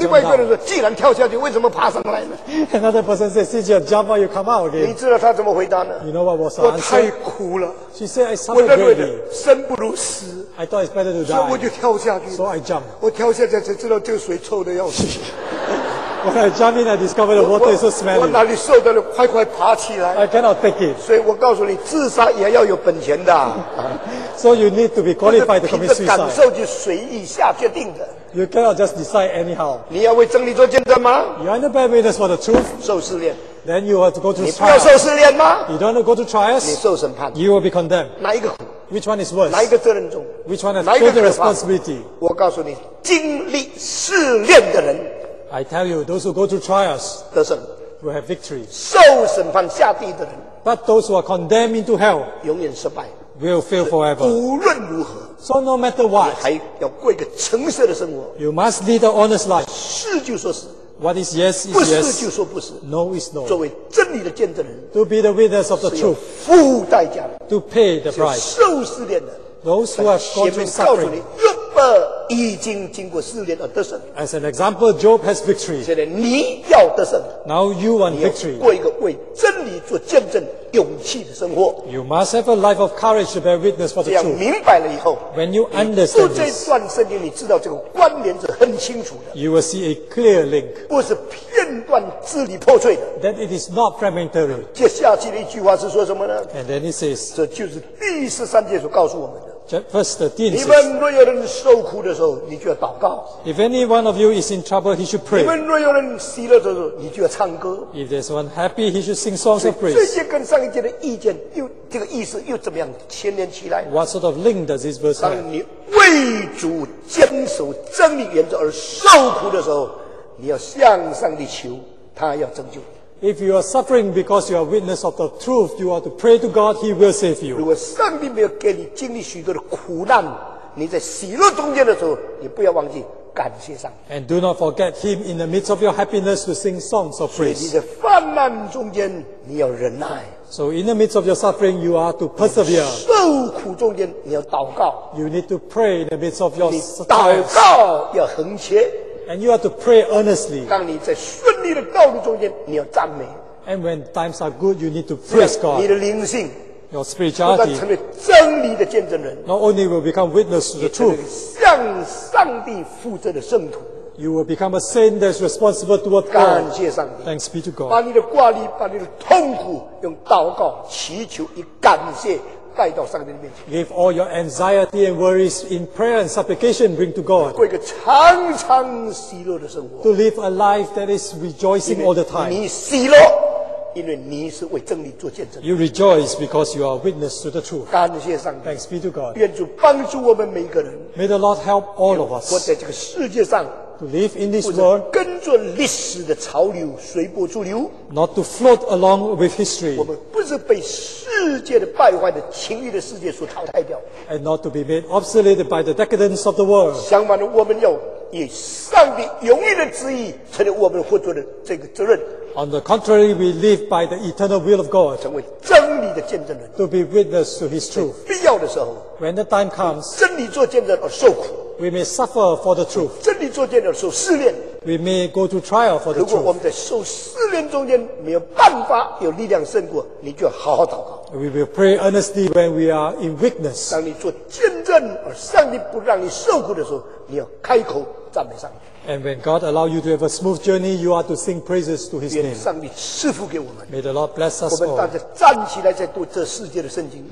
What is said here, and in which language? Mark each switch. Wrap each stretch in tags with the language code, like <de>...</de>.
<zh>另外一个人说, 既然跳下去, 为什么爬上来呢?</zh> <en>Another person said, since you jump out, you come out again.</en> <zh>你知道他怎么回答呢?</zh> <en>You know what was her answer?</en> <zh>我太苦了,</zh> <en>she said, I suffered greatly.</en> <zh>生不如死,</zh> <en>I thought it's better to die.</en> <zh>所以我就跳下去,</zh> <en>so I jumped.</en> <zh>我跳下去才知道这个水臭得要死。</zh> <en>When I jump in, I discover the water is so smelly.</en> <zh>我哪里受得了, 快快爬起来,</zh> <en>I cannot take it.</en> <zh>所以我告诉你, 自杀也要有本钱的,</zh> <en>so you need to be qualified to commit suicide.</en> <zh>感受就随意下决定的。</zh> <en>You cannot just decide anyhow.</en> <zh>你要为真理做见证吗?</zh> <en>You are in the bad witness for the truth.</en> <zh>受试炼。</zh> <en>Then you have to go to trial.</en> <zh>你不要受试炼吗?</zh> <en>You don't want to go to trials.</en> <zh>你受审判。</zh> <en>You will be condemned.</en> <zh>哪一个苦?</zh> <en>Which one is worse?</en> <zh>哪一个责任重?</zh> <en>Which one has greater responsibility?</en> <zh>我告诉你, 经历试炼的人,</zh> <en>I tell you, those who go through trials will have victory.</en> <zh>受审判下地的人,</zh> <en>but those who are condemned into hell will fail forever.</en> <zh>无论如何,</zh> <en>so no matter what, you must lead an honest life.</en> <zh>是就说是,</zh> <en>what is yes is yes.</en> <zh>不是就说不是,</zh> <en>no is no.</en> <zh>作为真理的见证人,</zh> <en>to be the witness of the truth,</en> <zh>是有付代价的,</zh> <en>to pay the price.</en> <zh>是有受试炼的,</zh> <en>those who have gone through suffering.</en> <zh>已经经过试炼而得胜,</zh> <en>as an example, Job has victory.</en> <zh>现在你要得胜,</zh> <en>now you want victory.</en> <zh>你要过一个为真理做见证勇气的生活,</zh> <en>you must have a life of courage to bear witness for the truth.</en> <zh>这样明白了以后,</zh> <en>when you understand this,</en> <zh>你读这段圣经, 你知道这个关联是很清楚的,</zh> <en>you will see a clear link.</en> <zh>不是片段支离破碎的,</zh> <en>that it is not fragmentary.</en> <zh>接下去的一句话是说什么呢?</zh> <en>And then he says,</en> <zh>这就是第13节所告诉我们,</zh> <en>first, the thing is, if any one of you is in trouble, he should pray. If there's one happy, he should sing songs of praise. What sort of link does this verse have?</en> <zh>当你为主坚守真理原则而受苦的时候, 你要向上帝求, 他要拯救你。</zh> <en>If you are suffering because you are witness of the truth, you are to pray to God, He will save you.</en> <zh>如果上帝没有给你经历许多的苦难，你在喜乐中间的时候，你不要忘记感谢上帝。</zh> <en>And do not forget Him in the midst of your happiness to sing songs of praise.</en> <zh>所以你在患难中间，你要忍耐。</zh> <en>So in the midst of your suffering, you are to persevere.</en> <zh>受苦中间，你要祷告。</zh> <en>You need to pray in the midst of your suffering.</en> <zh>你祷告要恒切。</zh> <en>And you are to pray earnestly.</en> <zh>当你在顺利的道路中间，你要赞美。</zh> <en>And when times are good, you need to praise God.</en> <zh>你的灵性。</zh> <en>Your spirituality.</en> <zh>成为真理的见证人。</zh> <en>Not only will become witness to the truth.</en> <zh>向上帝负责的圣徒。</zh> <en>You will become a saint that is responsible to what God.</en> <zh>感谢上帝。</zh> <en>Thanks be to God.</en> <zh>把你的挂虑，把你的痛苦，用祷告、祈求以感谢。带到上帝的面前。</zh> <en>Give all your anxiety and worries in prayer and supplication bring to God.</en> <zh>过一个常常喜乐的生活。</zh> <en>To live a life that is rejoicing all the time.</en> <zh>你喜乐，因为你是为真理做见证。</zh> <en>You rejoice because you are witness to the truth.</en> <zh>感谢上帝。</zh> <en>Thanks be to God.</en> <zh>愿主帮助我们每一个人。</zh> <en>May the Lord help all of us.</en> <zh>活在这个世界上。</zh> <en>To live in this world.</en> <zh>跟着历史的潮流，随波逐流。</zh> <en>Not to float along with history.</en> <zh>我们不是被世界的败坏的情欲的世界所淘汰掉。</zh> <en>And not to be made obsolete by the decadence of the world.</en> <zh>相反的，我们要以上帝永远的旨意成为我们活着的这个责任。</zh> <en>On the contrary, we live by the eternal will of God.</en> <zh>成为真理的见证人。</zh> <en>To be witness to His truth.</en> <zh>必要的时候。</zh> <en>When the time comes.</en> <zh>真理做见证而受苦。</zh> <en>We may suffer for the truth.</en> <zh>真理作践的时候试炼。</zh> <en>We may go to trial for the truth.</en> <zh>如果我们在受试炼中间没有办法有力量胜过，你就好好祷告。</zh> <en>We will pray earnestly when we are in weakness.</en> <zh>当你做见证而上帝不让你受苦的时候，你要开口赞美上帝。</zh> <en>And when God allows you to have a smooth journey, you are to sing praises to His name.</en> <zh>愿上帝赐福给我们。</zh> <en>May the Lord bless us all.</en> <zh>我们大家站起来再读这世界的圣经。</zh>